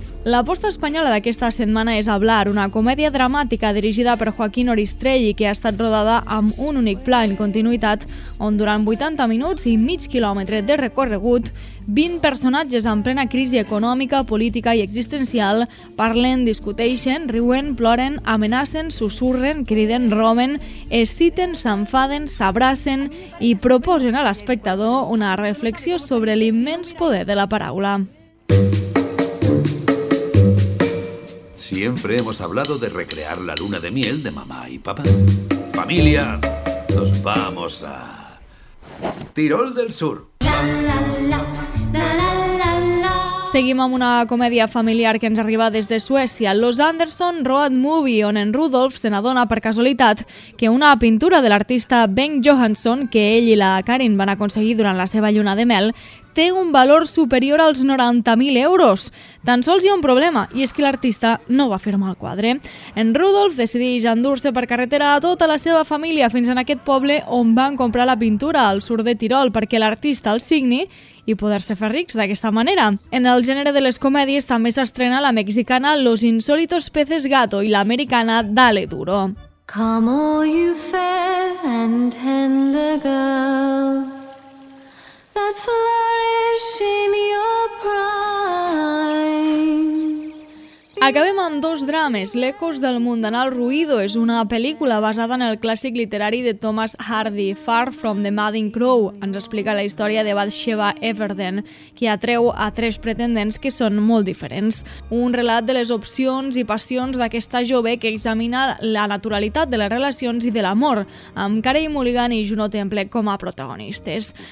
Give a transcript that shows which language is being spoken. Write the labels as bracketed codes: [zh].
[ca] L'aposta espanyola d'aquesta setmana és Hablar, una comèdia dramàtica dirigida per Joaquín Oristrell i que ha estat rodada amb un únic pla en continuïtat, on durant 80 minuts i mig quilòmetre de recorregut, 20 personatges en plena crisi econòmica, política i existencial parlen, discuteixen, riuen, ploren, amenacen, susurren, criden, romen, exciten, s'enfaden, s'abracen i proposen a l'espectador una reflexió sobre l'immens poder de la paraula. [es] Siempre hemos hablado de recrear la luna de miel de mamá y papá. Familia, nos vamos a Tirol del Sur. La, la, la, la, la, la, la. [ca] Seguim amb una comèdia familiar que ens arriba des de Suècia, Los Anderson Road Movie, on en Rudolf se n'adona per casualitat que una pintura de l'artista Bengt Johansson, que ell i la Karin van aconseguir durant la seva lluna de mel, té un valor superior als 90.000 euros. Tan sols hi ha un problema, i és que l'artista no va firmar el quadre. En Rudolf decideix endur-se per carretera a tota la seva família fins en aquest poble on van comprar la pintura, al sud de Tirol, perquè l'artista el signi i poder-se fer rics d'aquesta manera. En el gènere de les comèdies també s'estrena la mexicana Los Insólitos Peces Gato i l'americana Dale Duro. [en] Come all you fair and tender girls that flourish in your prime. [ca] Acabem amb dos drames. L'Ecos del Mundanal Ruido és una pel·lícula basada en el clàssic literari de Thomas Hardy, Far from the Madding Crow. Ens explica la història de Bathsheba Everden, que atreu a tres pretendents que són molt diferents. Un relat de les opcions i passions d'aquesta jove que examina la naturalitat de les relacions i de l'amor, amb Carey Mulligan i Juno Temple com a protagonistes.